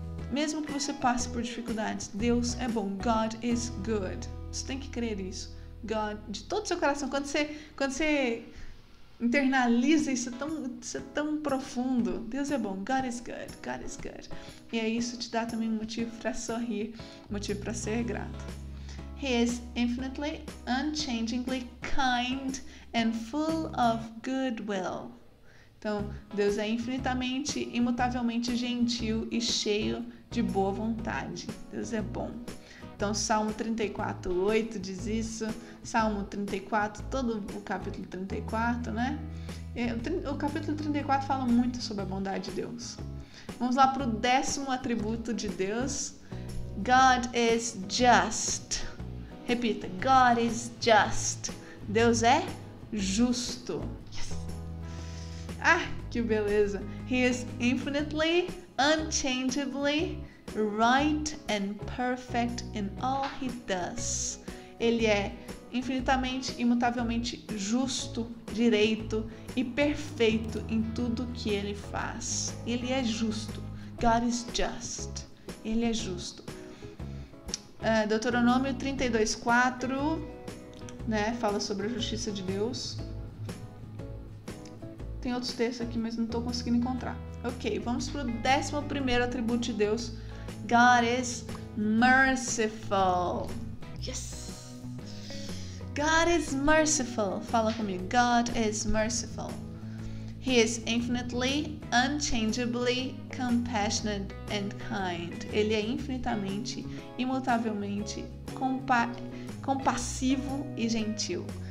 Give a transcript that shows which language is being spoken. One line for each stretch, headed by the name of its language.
Portuguese: Mesmo que você passe por dificuldades, Deus é bom.
English: God is good.
Portuguese: Você tem que crer isso. God, de todo seu coração. Quando você internaliza isso, isso é tão profundo. Deus é bom.
English: God is good. God is good.
Portuguese: E aí isso te dá também um motivo para sorrir, um motivo para ser grato.
English: He is infinitely, unchangingly kind and full of goodwill.
Portuguese: Então, Deus é infinitamente, imutavelmente gentil e cheio de boa vontade. Deus é bom. Então, Salmo 34:8 diz isso. Salmo 34, todo o capítulo 34, né? O capítulo 34 fala muito sobre a bondade de Deus. Vamos lá para o décimo atributo de Deus.
English: God is just.
Portuguese: Repita.
English: God is just.
Portuguese: Deus é justo. Ah, que beleza.
English: He is infinitely, unchangeably, right and perfect in all he does.
Portuguese: Ele é infinitamente, imutavelmente justo, direito e perfeito em tudo que ele faz. Ele é justo.
English: God is just.
Portuguese: Ele é justo. Deuteronômio 32:4, né, fala sobre a justiça de Deus. Tem outros textos aqui, mas não estou conseguindo encontrar. Ok, vamos para o 11º atributo de Deus.
English: God is merciful. Yes! God is merciful.
Portuguese: Fala comigo.
English: God is merciful. He is infinitely, unchangeably, compassionate and kind.
Portuguese: Ele é infinitamente, imutavelmente, compassivo e gentil.